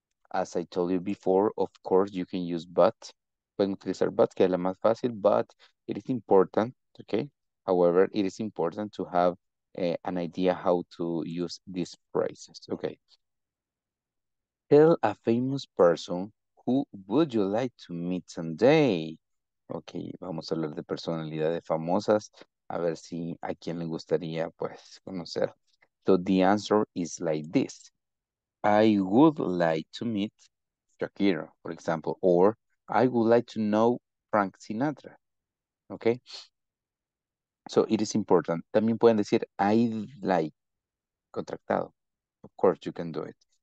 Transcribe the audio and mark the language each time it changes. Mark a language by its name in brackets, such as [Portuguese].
[English] As I told you before, of course, you can use but. [Spanish] Pueden utilizar but, que es la más fácil, [English] but it is important, okay? However, it is important to have an idea how to use these phrases, okay? Tell a famous person who would you like to meet someday? [Spanish] Okay, vamos a hablar de personalidades famosas, a ver si a quién le gustaría, pues, conocer. [English] So the answer is like this. I would like to meet Shakira, for example, or I would like to know Frank Sinatra, okay? So it is important. [Spanish] También pueden decir, [English] I'd like, contractado. Of course, you can do it.